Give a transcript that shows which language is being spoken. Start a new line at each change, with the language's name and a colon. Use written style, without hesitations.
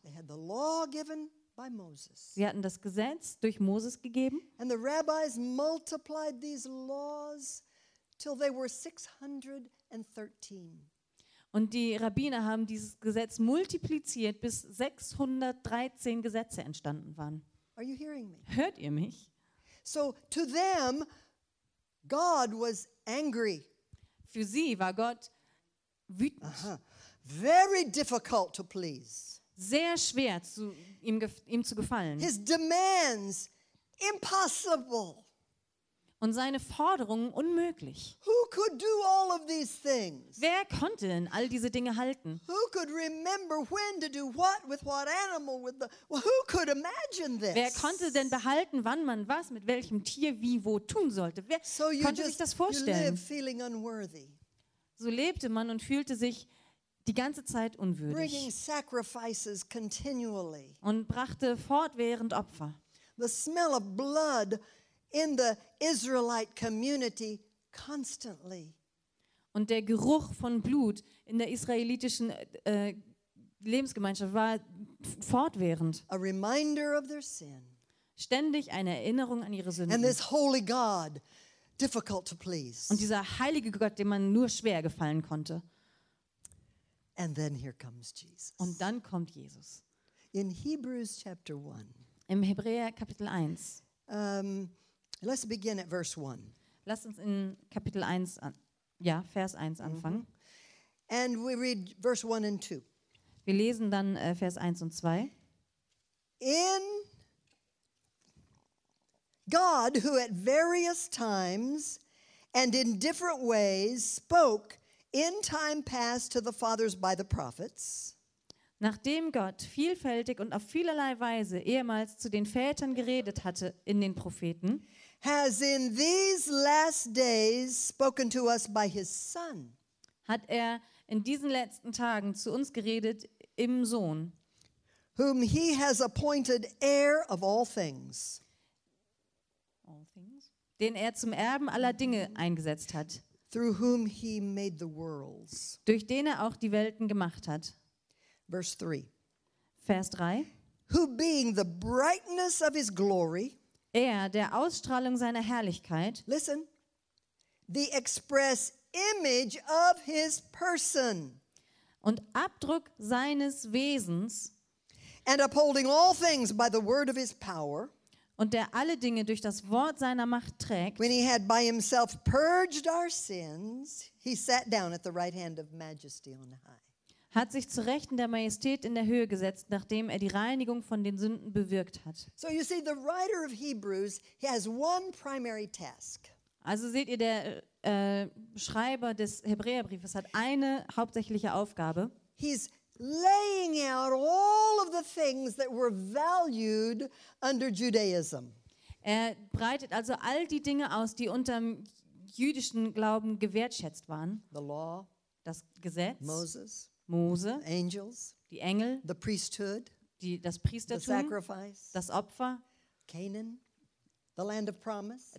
English: They had the law given by Moses.
German: Sie hatten das Gesetz durch Moses gegeben.
English: And the rabbis multiplied these laws till they were 613.
German: Und die Rabbiner haben dieses Gesetz multipliziert, bis 613 Gesetze entstanden waren.
English: Are you hearing me?
German: Hört ihr mich?
English: So to them God was angry.
German: Für sie war Gott wütend. Uh-huh.
English: Very difficult to please.
German: Sehr schwer zu ihm zu gefallen.
English: His demands impossible.
German: Und seine Forderungen unmöglich.
English: Who could do all of these things?
German: Wer konnte denn all diese Dinge halten?
English: Who could remember when to do what with what animal with the who could imagine this?
German: Wer konnte denn behalten, wann man was mit welchem Tier wie wo tun sollte? Wer
English: so you
German: konnte
English: just,
German: sich das vorstellen?
English: You live feeling unworthy.
German: So lebte man und fühlte sich die ganze Zeit unwürdig.
English: Bringing sacrifices continually.
German: Und brachte fortwährend Opfer.
English: The smell of blood in the Israelite community constantly.
German: Und der Geruch von Blut in der israelitischen Lebensgemeinschaft war fortwährend.
English: A reminder of their sin.
German: ständig eine Erinnerung an ihre Sünden.
English: And this holy God, difficult to please.
German: Und dieser heilige Gott, dem man nur schwer gefallen konnte.
English: And then here comes Jesus.
German: Und dann kommt Jesus.
English: In Hebrews chapter 1.
German: Im Hebräer Kapitel 1.
English: Let's begin at verse 1.
German: Lass uns in Kapitel 1 Vers 1 anfangen.
English: Mm-hmm. And we read verse 1 and 2.
German: Wir lesen dann Vers 1 und 2.
English: In God, who at various times and in different ways spoke in time past to the fathers by the prophets.
German: Nachdem Gott vielfältig und auf vielerlei Weise ehemals zu den Vätern geredet hatte in den Propheten,
English: has in these last days spoken to us by his Son.
German: Hat er in diesen letzten Tagen zu uns geredet im Sohn,
English: whom he has appointed heir of all things.
German: Den er zum Erben aller Dinge eingesetzt hat,
English: through whom he made the worlds.
German: Durch den er auch die Welten gemacht hat.
English: Verse 3.
German: Vers 3.
English: Who being the brightness of his glory,
German: er, der Ausstrahlung seiner Herrlichkeit,
English: listen, the express image of his person,
German: und Abdruck seines Wesens,
English: and upholding all things by the word of his power,
German: und der alle Dinge durch das Wort seiner Macht trägt.
English: When he had by himself purged our sins, he sat down at the right hand of majesty on high.
German: Hat sich zu Rechten der Majestät in der Höhe gesetzt, nachdem er die Reinigung von den Sünden bewirkt hat.
English: So you see, the writer of Hebrews, he has one primary task.
German: Also seht ihr, der Schreiber des Hebräerbriefes hat eine hauptsächliche Aufgabe.
English: He's laying out all of the things that were valued under Judaism.
German: Er breitet also all die Dinge aus, die unter dem jüdischen Glauben gewertschätzt waren.
English: The law,
German: das Gesetz,
English: Moses,
German: Mose,
English: angels,
German: die Engel,
English: the priesthood,
German: das Priestertum,
English: the sacrifice,
German: das Opfer,
English: Canaan, the land of promise,